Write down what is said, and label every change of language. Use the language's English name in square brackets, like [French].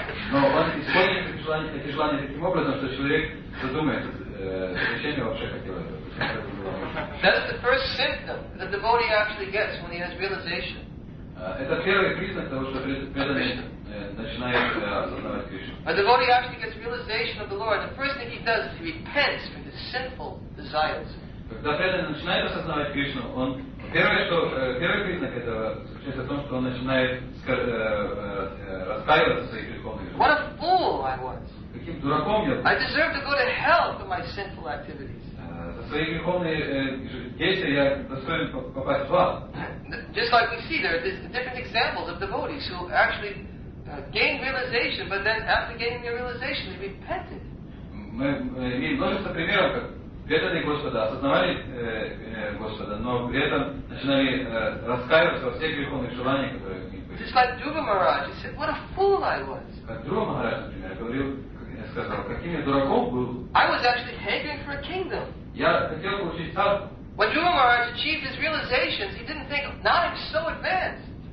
[Russian] Но он исполнит эти желания таким образом, что человек задумается, зачем я вообще хотел это. [English] That's the first symptom the devotee actually gets when he has realization. [Russian] Это первый признак того, что преданный начинает осознавать Кришну. [English] A devotee actually gets realization of the Lord. The first thing he does is he repents from his sinful desires. [Russian] Когда преданный начинает осознавать Кришну, он первый признак этого заключается в том, что он начинает раскаиваться в своих греховных. [English] What a fool I was! [Russian] Каким дураком я был! [English] I deserve to go to hell for my sinful activities. [Russian] За свои греховные действия я достоин попасть в ад. [English] Just like we see, there are different examples of devotees who actually gain realization, but then after gaining the realization, they repented. [Russian] Мы имеем множество примеров, как преданные Господа осознавали Господа, но при этом начинали раскаиваться во всех греховных желаниях, которые у них были. [English] Just like Dhruva Maharaj, he said, "What a fool I was!" [Russian] Как Dhruva Maharaj, например, говорил, сказал, каким я дураком был. [English] I was actually hankering for a kingdom. [Russian] Я хотел получить царство. [English] When Dhruva Maharaj achieved his realizations, he didn't think, "Now I'm so advanced."